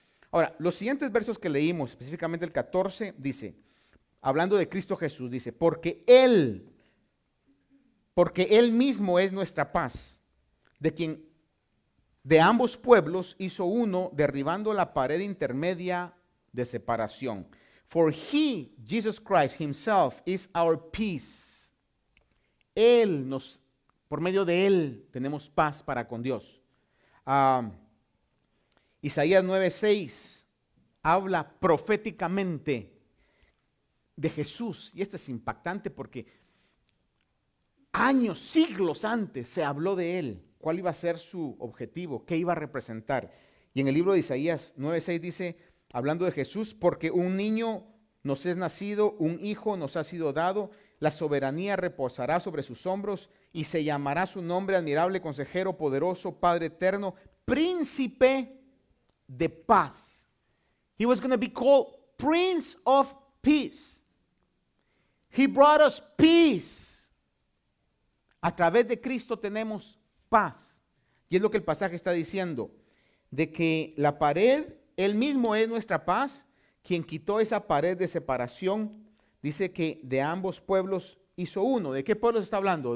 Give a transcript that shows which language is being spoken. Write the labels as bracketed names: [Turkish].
[Spanish] Ahora, los siguientes versos que leímos, específicamente el 14, dice, hablando de Cristo Jesús, dice, porque Él mismo es nuestra paz, de quien de ambos pueblos hizo uno, derribando la pared intermedia de separación. [English] For He, Jesus Christ Himself, is our peace. [Spanish] Él nos, por medio de Él, tenemos paz para con Dios. Isaías 9:6 habla proféticamente de Jesús. Y esto es impactante porque años, siglos antes se habló de Él. ¿Cuál iba a ser su objetivo? ¿Qué iba a representar? Y en el libro de Isaías 9:6 dice, hablando de Jesús, porque un niño nos es nacido, un hijo nos ha sido dado, la soberanía reposará sobre sus hombros y se llamará su nombre admirable, consejero, poderoso, Padre eterno, príncipe de paz. [English] He was going to be called Prince of Peace. He brought us peace. [Spanish] A través de Cristo tenemos paz. Y es lo que el pasaje está diciendo, de que la pared, Él mismo es nuestra paz, quien quitó esa pared de separación. Dice que de ambos pueblos hizo uno. ¿De qué pueblos está hablando?